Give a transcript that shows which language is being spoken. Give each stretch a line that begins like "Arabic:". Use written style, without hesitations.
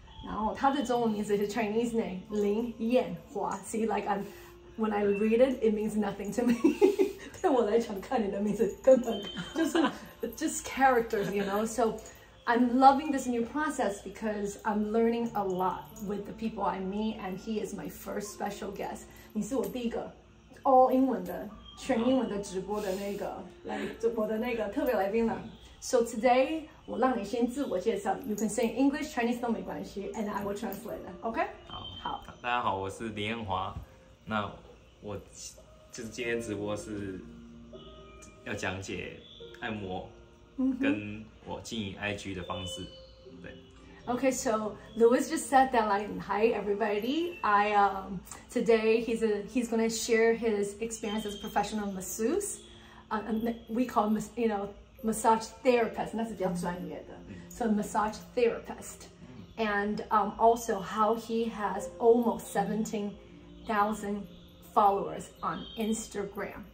Chinese: 然后他的中文名字是
English: Chinese name 林彦华 See like I'm when I read it, it means nothing to me.
Chinese: 对我来讲，看你的名字根本就是 characters,
English: you know. So. I'm loving this new process because I'm learning a lot with the people I meet, and he is my first special guest.
Chinese: 你是我第一个 all 英文的全英文的直播的那个来直播的那个特别来宾了。
English: So today,
Chinese: 我让你先自我介绍
English: You can say English, Chinese
Chinese: 都没关系
English: and I will translate it, okay?
Chinese: 好，大家好，我是林彦华。那我就是今天直播是要讲解按摩跟我经营 IG 的方式，对。
English: Okay, so Louis just said that, like, hi everybody. Today he's gonna share his experience as a professional masseuse. We call him, you know, massage therapist.
Chinese: 那是比较专业的。
English: So massage therapist, and also how he has almost 17,000 followers on Instagram.